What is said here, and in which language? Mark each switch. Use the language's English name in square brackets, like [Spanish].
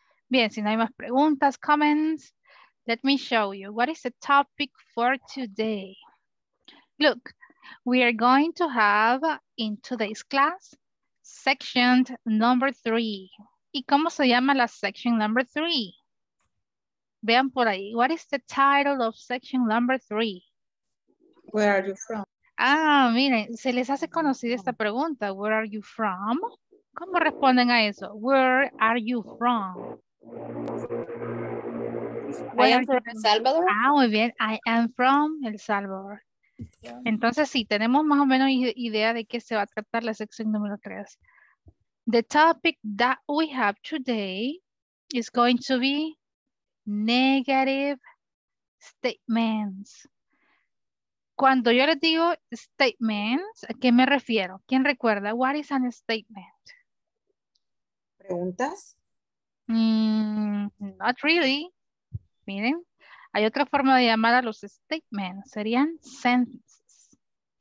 [Spanish] Bien, si no hay más preguntas, comments, [English] let me show you. What is the topic for today? Look, we are going to have in today's class section number three. [Spanish] ¿Y cómo se llama la [English] section number three? [Spanish] Vean por ahí. [English] What is the title of section number three? Where are you from? [Spanish] Ah, miren, se les hace conocida esta pregunta. [English] Where are you from? [Spanish] ¿Cómo responden a eso? [English] Where are you from? I am From El from. Salvador. [Spanish] Ah, muy bien. [English] I am from El Salvador. [Spanish] Entonces, sí, tenemos más o menos idea de qué se va a tratar la sección número 3. [English] The topic that we have today is going to be negative statements. [Spanish] Cuando yo les digo statements, ¿a qué me refiero? ¿Quién recuerda? [English] What is an statement? [Spanish] ¿Preguntas? [English] Not really. [Spanish] Miren, hay otra forma de llamar a los statements. Serían sentences. O